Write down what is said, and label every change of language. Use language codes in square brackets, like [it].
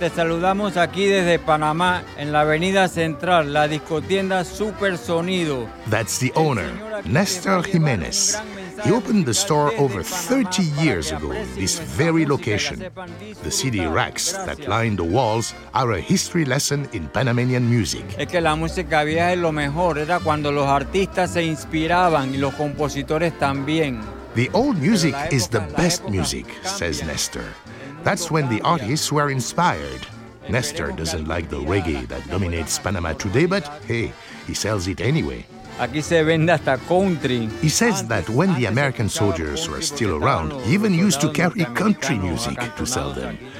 [es] Te saludamos aquí desde Panamá, en la Avenida Central, la discotienda Super Sonido. [en] That's the owner, Néstor Jiménez. He opened the store over 30 years ago in this very location. The CD racks that line the walls are a history lesson in Panamanian music. [es] Es que la música vieja es lo mejor, era cuando los artistas se inspiraban y los compositores también. [en] The old music is the best music, says Néstor. That's when the artists were inspired. Néstor doesn't like the reggae that dominates Panama today, but hey, he sells it anyway. [es] Aquí se vende hasta country. [en] He says that when the American soldiers were still around, he even used to carry country music to sell them.